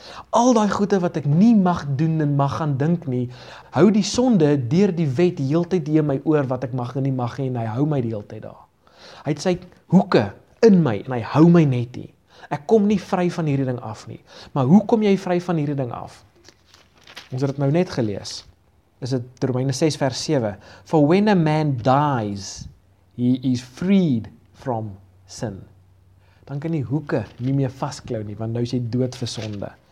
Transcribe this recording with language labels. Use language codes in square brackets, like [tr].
[af] Al die goede wat ek nie mag doen en mag gaan dink nie, hou die sonde deur die wet heeltyd in my oor wat ek mag en nie mag en hy hou my die heeltyd daar. Hy het sy hoeke in my en hy hou my net nie. Ek kom nie vry van hierdie ding af nie. Maar hoe kom jy vry van hierdie ding af? Ons het dit nou net gelees. Is dit Romeine 6 vers 7. [en] For when a man dies, he is freed from sin. [af] Dan kan die hoeke nie meer vasklou nie, want nou is hy dood vir sonde.